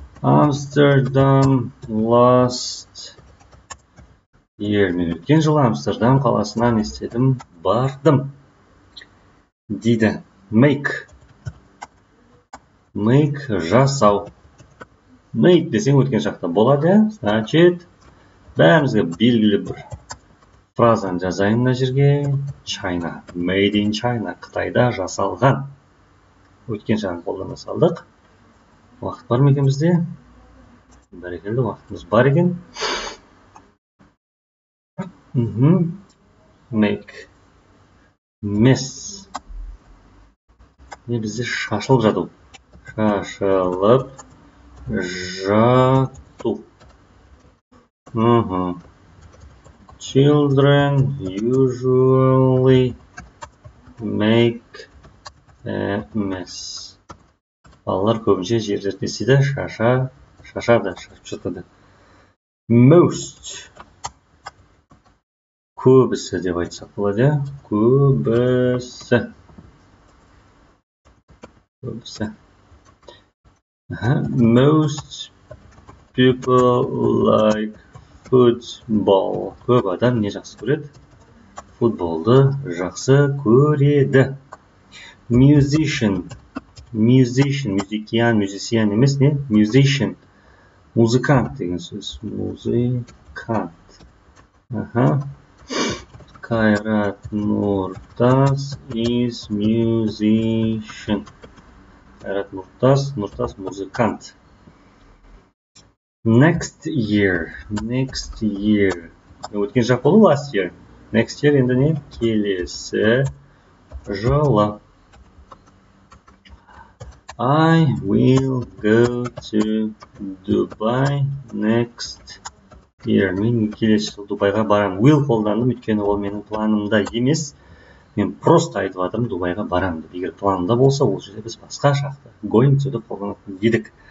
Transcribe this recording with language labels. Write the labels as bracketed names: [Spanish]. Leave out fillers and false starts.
[English] Амстердам last year. [Kazakh] Мен өткен жылы Амстердам қаласынан істедім, бардым. Дейді. Make. Make жасау. Make десең өткен шақта болады. Значит, бәрімізге белгілі бір фразаны жазайын мына жерге. China. Made in China. Қытайда жасалған. Өткен шағын қолдана салдық. Уақыт бар ма екен бізде? Бәрекелді, уақытымыз бар екен. Make. Mess. Не бізде шашылып жату. Шашылып жату. [English] Children usually make мәс. [Kazakh] Балалар көбінше жерлерде істейді, шашады, шашып жатады. [English] Most. [Kazakh] Көбісі деп айтсақ болады, көбісі. Көбісі. [English] Most people like football. [Kazakh] Көп адам не жақсы көреді? Футболды жақсы көреді. [English] Musician. Musician. [Kazakh] Музикиян, музисиян емес, не? Musician. Музыкант деген сөз. Музыкант. Аха. [English] Қайрат Нұртас is musician. [Kazakh] Қайрат Нұртас, Нұртас музыкант. [English] Next year. Next year. [Kazakh] Өткен жақ болу [English] last year. Next year [Kazakh] енді не? Келесі жылы. [English] I will go to Dubai next year. [Kazakh] Мен келесі жылы Дубайға барам. Will қолдандым, өйткені ол менің планымда емес. Мен просто айтып отырмын, Дубайға барам деп. Егер планымда болса, ол жерде біз басқа шақты. Going to деп қолданатын едік.